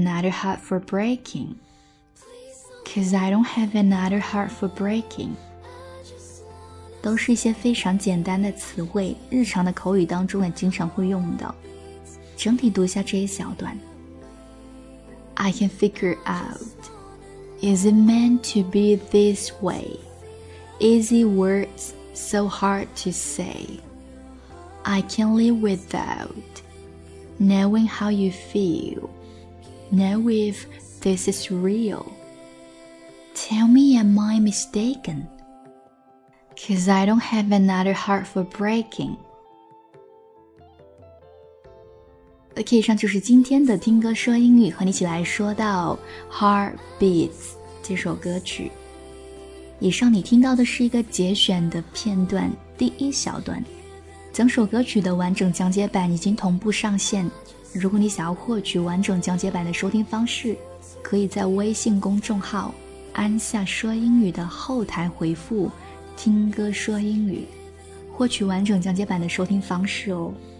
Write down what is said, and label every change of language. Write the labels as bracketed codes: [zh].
[en] heart for breaking Cause I don't have another heart for breaking。 [zh] 都是一些非常简单的词汇，日常的口语当中也经常会用到。整体读一下这一小段。 [en] I can figure out, is it meant to be this way? Easy words, so hard to say. I can live without, knowing how you feel. Know if this is real. Tell me am I mistaken? Cause I don't have another heart for breaking. [zh] OK, 以上就是今天的听歌说英语，和你一起来说到 Heartbeats 这首歌曲。以上你听到的是一个节选的片段，第一小段。整首歌曲的完整讲解版已经同步上线，如果你想要获取完整讲解版的收听方式，可以在微信公众号安下说英语的后台回复听歌说英语，获取完整讲解版的收听方式哦。